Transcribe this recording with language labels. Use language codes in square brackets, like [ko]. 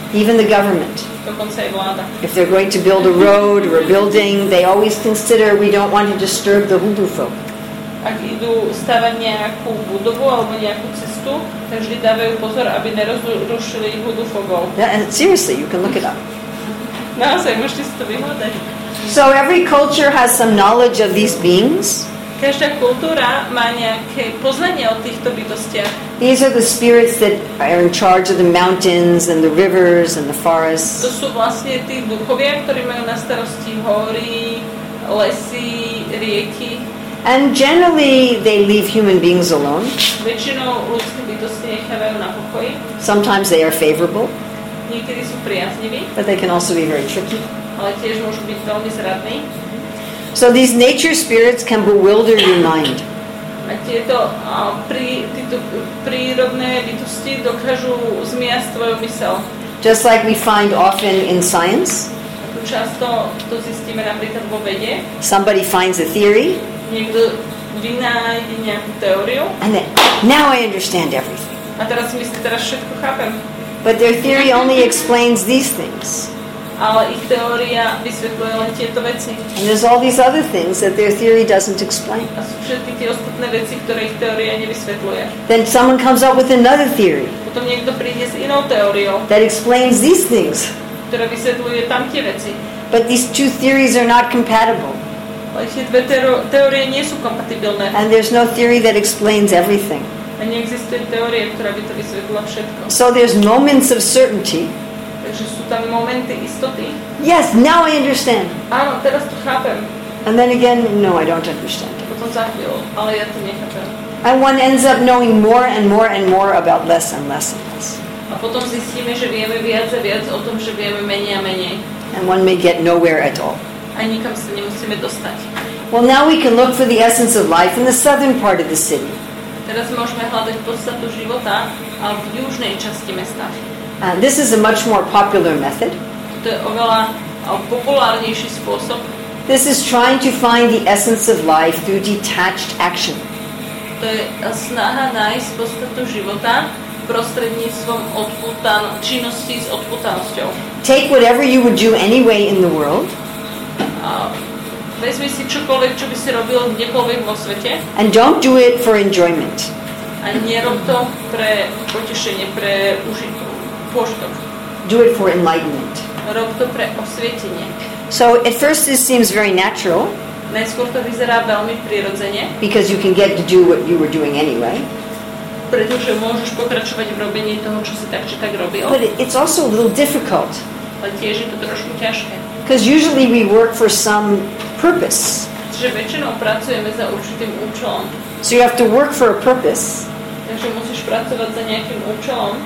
[en] Even the government. [sk] Dokonca aj vláda. [en] If they're going to build a road or a building, they always consider we don't want to disturb the huldufolk. [sk] Ak idú stavať nejakú budovu alebo nejakú cestu, tak vždy dávajú pozor, aby nerozrušili huldufolkov. [en] Yeah, and seriously, you can look it up. [sk] Naozaj, môžete si to vyhľadať. [en] So every culture has some knowledge of these beings. [sk] Každá kultúra má nejaké poznanie o týchto bytostiach. [en] These are the spirits that are in charge of the mountains and the rivers and the forests. [sk] To sú vlastne tí duchovia, ktorí majú na starosti hory, lesy, rieky. [en] And generally they leave human beings alone. [sk] Väčšinou ľudské bytosti nechávajú na pokoji. [en] Sometimes they are favorable. [sk] Niekedy sú priaznivý. [en] But they can also be very tricky. [sk] Ale tiež môžu byť veľmi zradný. [en] So these nature spirits can bewilder your mind. [sk] A tieto prírodné bytosti dokážu zmiasť tvoju mysel. [en] Just like we find often in science. [sk] Často to zistíme napríklad vo vede. [en] Somebody finds a theory. [sk] Niekto vynájde nejakú teóriu. [en] And then, now I understand everything. [sk] A teraz si myslím, teraz všetko chápem. [en] But their theory only explains these things. [sk] Ale ich teória vysvetľuje len tieto veci. [en] And there's all these other things that their theory doesn't explain. [sk] A sú všetky tie ostatné veci, ktoré ich teória nevysvetľuje. [en] Then someone comes up with another theory. [sk] Potom niekto príde s inou teóriou. [en] That explains these things. [sk] Ktorá vysvetľuje tamtie veci. [en] But these two theories are not compatible. [sk] Ale tie dve teórie nie sú kompatibilné. [en] And there's no theory that explains everything. [sk] A neexistuje teória, ktorá by to vysvetlila všetko. [en] So there's moments of certainty. [sk] Takže sú tam momenty istoty. [en] Yes, now I understand. [sk] Áno, teraz to chápem. [en] And then again, no, I don't understand. [sk] Potom za chvíľu, ale ja to nechápem. [en] And one ends up knowing more and more and more about less and less and less. [sk] A potom zistíme, že vieme viac a viac o tom, že vieme menej a menej. [en] And one may get nowhere at all. [sk] A nikam sa nemusíme dostať. [en] Well, now we can look for the essence of life in the southern part of the city. [sk] Teraz môžeme hľadať podstatu života v južnej časti mesta. [en] And this is a much more popular method. [sk] To je oveľa populárnejší spôsob. [en] This is trying to find the essence of life through detached action. [sk] To je snaha nájsť podstatu života prostredníctvom činnosti s odputanosťou. [en] Take whatever you would do anyway in the world. [sk] Vezmi si čokoľvek, čo by si robil kdekoľvek vo svete. [en] And don't do it for enjoyment. [sk] A nerob to pre potešenie, pre požitok. [en] Do it for enlightenment. [sk] Rob to pre osvietenie. [en] So at first this seems very natural. [sk] Najskôr to vyzerá veľmi prirodzene. [en] Because you can get to do what you were doing anyway. [sk] Pretože môžeš pokračovať v robení toho, čo si tak či tak robil. [en] But it's also a little difficult. [sk] Ale tiež je to trošku ťažké. [en] Because usually we work for some purpose. [sk] Čiže väčšinou pracujeme za určitým účelom. [en] So you have to work for a purpose. [sk] Takže musíš pracovať za nejakým účelom.